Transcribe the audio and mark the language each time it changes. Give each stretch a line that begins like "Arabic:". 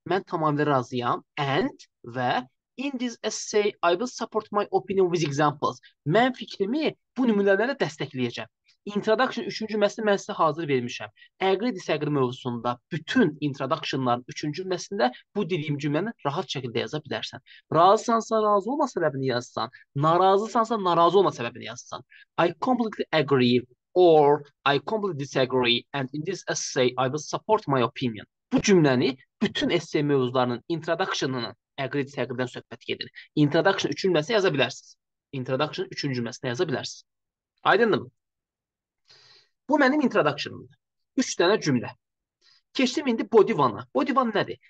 Azerbaijani: Mən tamamilə razıyam.
English: And və in this essay, I will support my opinion with examples.
Azerbaijani: Mən fikrimi bu nümunələrlə dəstəkləyəcəm. Introduction üçüncü cümləsini mən sizə hazır vermişəm. Agree disagree mövzusunda bütün introductionların üçüncü cümləsində bu dediyim cümləni rahat şəkildə yaza bilərsən. Razısansa razı olma səbəbini yazsan, narazısansa narazı olma səbəbini yazsan.
English: I completely agree or I completely disagree and in this essay I will support my opinion.
Azerbaijani: Bu cümləni bütün essay mövzularının introductionının agree disagree-dən söhbət gedir. Introduction üçüncü cümləsində yazabilirsiniz. Introduction üçüncü cümləsində yazabilirsiniz. Aydındır mı? Bu mənim introduction'ımdır. Üç dənə cümlə. Keçdim indi body one'a. Body one nədir?